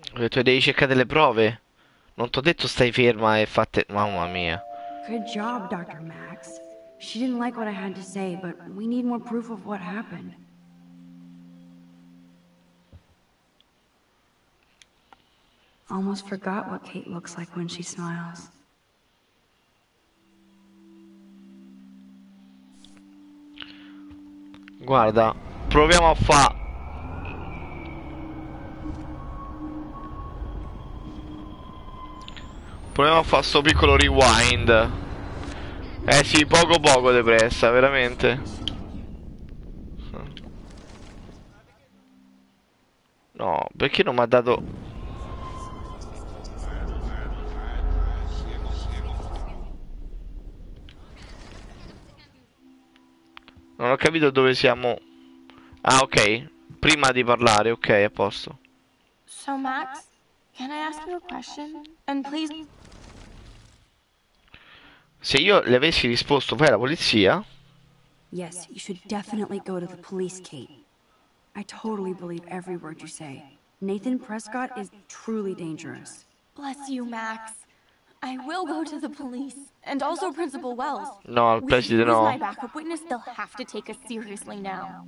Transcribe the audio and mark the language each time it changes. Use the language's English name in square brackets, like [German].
[Italian] Tu devi cercare delle prove. Non t'ho detto stai ferma e fatte... Mamma mia. [English] Good job, Dr. Max. She didn't like what I had to say, but we need more proof of what happened. Almost forgot what Kate looks like when she smiles. [Italian] Guarda, proviamo a fa... Proviamo a fare sto piccolo rewind. Eh sì, poco depressa, veramente. No, perché non mi ha dato... Non ho capito dove siamo. Ah, ok. Prima di parlare, ok, a posto. [English] So Max, can I ask you a question? And please... [Italian] Se io le avessi risposto, vai alla polizia. [English] Yes, you should definitely go to the police, Kate. I totally believe every word you say. Nathan Prescott is truly dangerous. Bless you, Max. I will go to the police, and also Principal Wells. No, I'll bless you, no. If he's my backup witness, they'll have to take us seriously now.